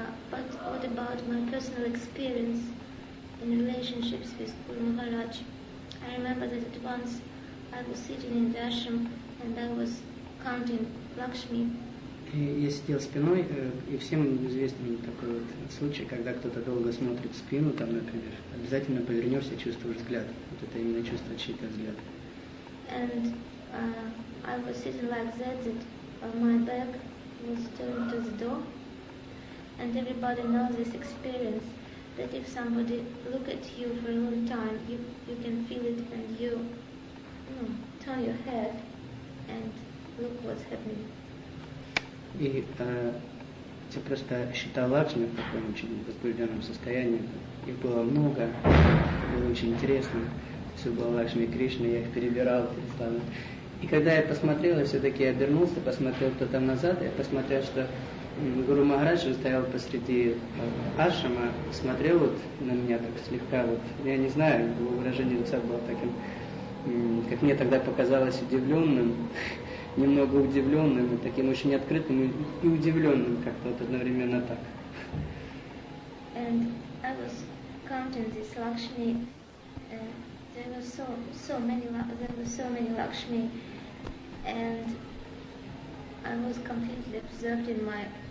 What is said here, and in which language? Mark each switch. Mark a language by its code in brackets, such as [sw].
[en] But what about my personal experience in relationships with Guru Maharaj? I remember that at once I was sitting in the ashram and I was counting Lakshmi. [ru] Я сидел спиной, и всем известен такой вот случай, когда кто-то долго смотрит в спину, там, например, обязательно повернешься, чувствуешь взгляд. Вот это именно чувство чьи-то взгляд. [en] And I was sitting like that my back was turned to the door. And everybody knows this experience. That if somebody look at you for a long time, you can feel it, and you turn your head and look what's happening. [ru] И я просто считал лакшми в таком очень возбужденном состоянии. Их было много, было очень интересно. Все было лакшми Кришна, я их перебирал постоянно. И когда я посмотрел, я все-таки обернулся, посмотрел кто там назад, я посмотрел, что Гуру Махарадж стоял посреди ашрама, смотрел вот на меня так слегка, вот я не знаю, его выражение лица было таким, как мне тогда показалось, удивленным, немного удивленным, таким очень открытым и удивленным как-то вот одновременно так. [en] And I was counting this Lakshmi, there were so many Lakshmi, and I was completely absorbed in my.